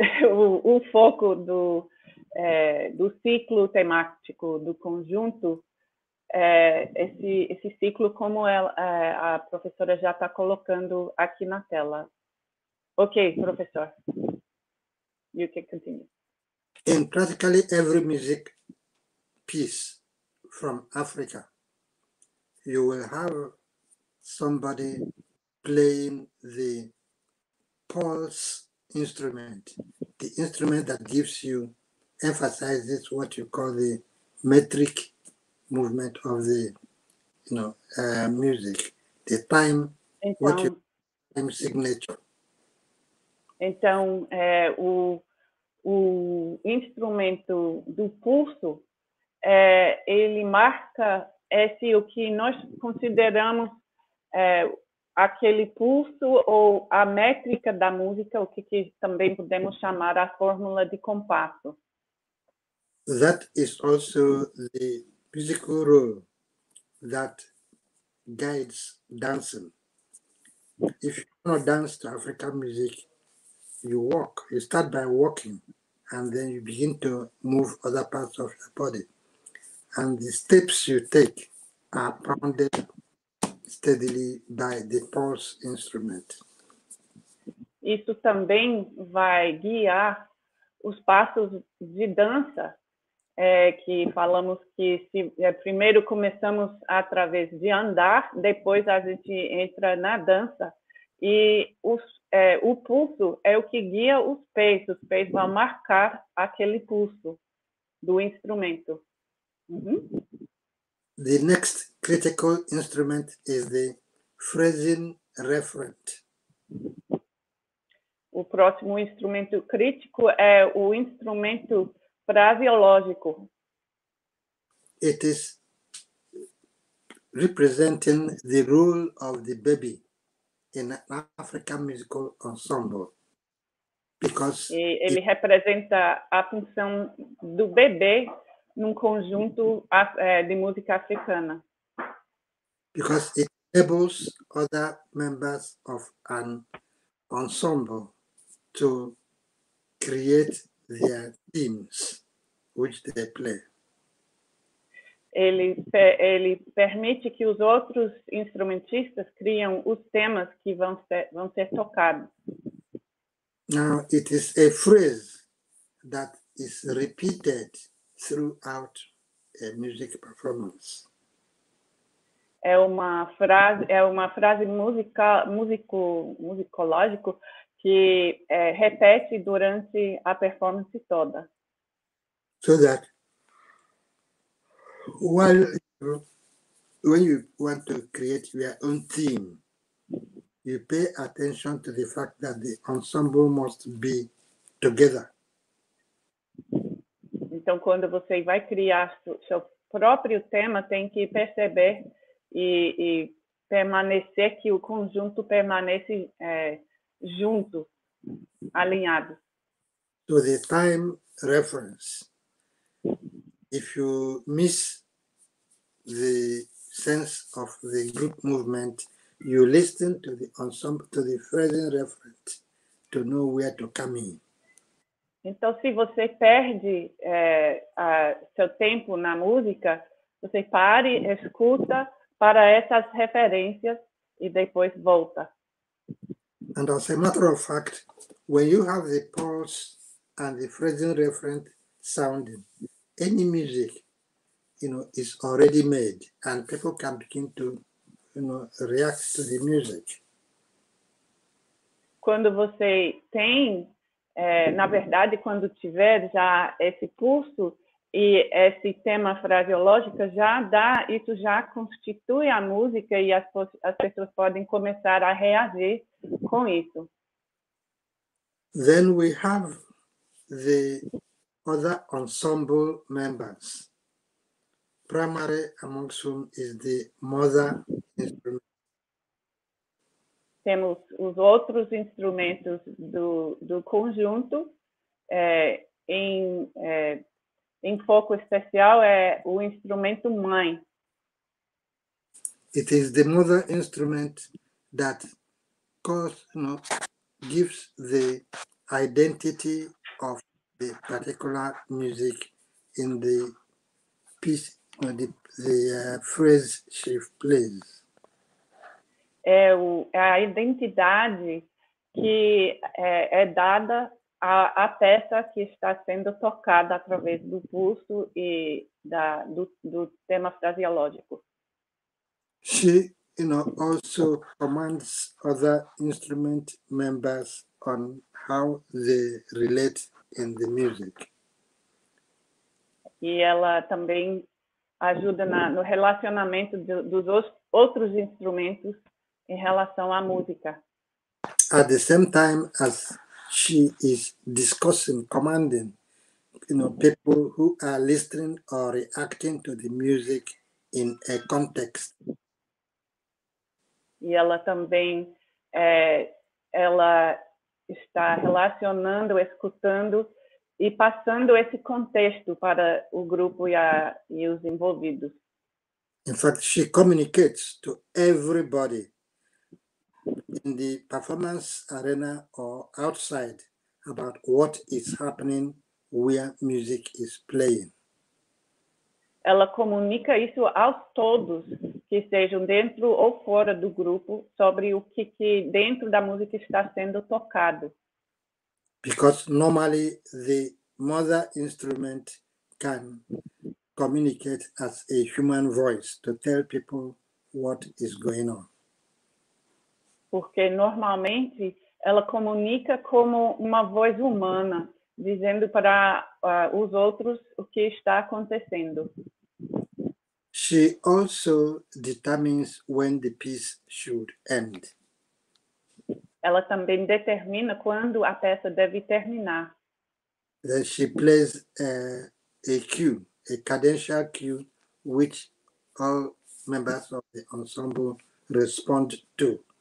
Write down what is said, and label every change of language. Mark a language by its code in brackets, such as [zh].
[pt] o foco do, do ciclo temático do conjunto, esse ciclo, como ela, a professora já está colocando aqui na tela. [en] Ok, professor. You can continue. In practically every music piece from Africa, you will have somebody playing the pulse instrument, the instrument that gives you, emphasizes what you call the metric movement of the, you know, music, the time, [pt] então, [en] what you call time signature. [pt] Então, o instrumento do pulso, ele marca esse, o que nós consideramos aquele pulso ou a métrica da música, o que também podemos chamar a fórmula de compasso. [en] That is also the musical rule that guides dancing. If you want to dance to African music, you walk. You start by walking, and then you begin to move other parts of your body. And the steps you take are pounded steadily by the pulse instrument. [pt] Isso também vai guiar os passos de dança, que falamos que se, primeiro começamos através de andar, depois a gente entra na dança, e os, o pulso é o que guia os pés vão marcar aquele pulso do instrumento. [en] The next critical instrument is the phrasing referent. [pt] O próximo instrumento crítico é o instrumento fraseológico. [en] It is representing the role of the baby in an African musical ensemble. Because [pt] e ele representa a função do bebê num conjunto de música africana. [en] Because it enables other members of an ensemble to create their themes, which they play. [pt] Ele permite que os outros instrumentistas criem os temas que vão ser tocados. [en] Now, it is a phrase that is repeated throughout a music performance. [pt] É uma frase musicológica que repete durante a performance toda. [en] So that when you want to create your own theme, you pay attention to the fact that the ensemble must be together. [pt] Então, quando você vai criar seu próprio tema, tem que perceber e permanecer que o conjunto permanece junto, alinhado. [en] To the time reference. If you miss the sense of the group movement, you listen to the ensemble, to the phrasing reference, to know where to come in. [pt] Então, se você perde seu tempo na música, você pare, escuta para essas referências e depois volta. [en] And as a matter of fact, when you have the pulse and the phrasing reference sounding, any music, you know, is already made and people can begin to, you know, react to the music. [pt] Quando você tem, na verdade, quando tiver já esse pulso e esse tema fraseológico, já dá, isso já constitui a música e as pessoas podem começar a reagir com isso. [en] Then we have the other ensemble members, primary amongst whom is the mother instrument. [pt] Temos os outros instrumentos do conjunto. Em foco especial é o instrumento mãe. [en] It is the mother instrument that gives the identity of the particular music in the piece, or the phrase she plays. [pt] É a identidade que é dada à peça que está sendo tocada através do pulso e do tema fraseológico. [en] She, you know, also commands other instrument members on how they relate in the music. [pt] E ela também ajuda no relacionamento dos outros instrumentos em relação à música. [en] At the same time as she is discussing, commanding, you know, people who are listening or reacting to the music in a context. [pt] E ela também ela está relacionando, escutando e passando esse contexto para o grupo e os envolvidos. [en] In fact, she communicates to everybody in the performance arena or outside about what is happening where music is playing. [pt] Ela comunica isso aos todos, que sejam dentro ou fora do grupo, sobre o que dentro da música está sendo tocado. [en] Because normally the mother instrument can communicate as a human voice to tell people what is going on. [pt] Porque normalmente ela comunica como uma voz humana, dizendo para os outros o que está acontecendo. [en] She also determines when the piece should end. [pt] Ela também determina quando a peça deve terminar. [en] Then she plays a cue, a cadential cue, which all members of the ensemble respond to.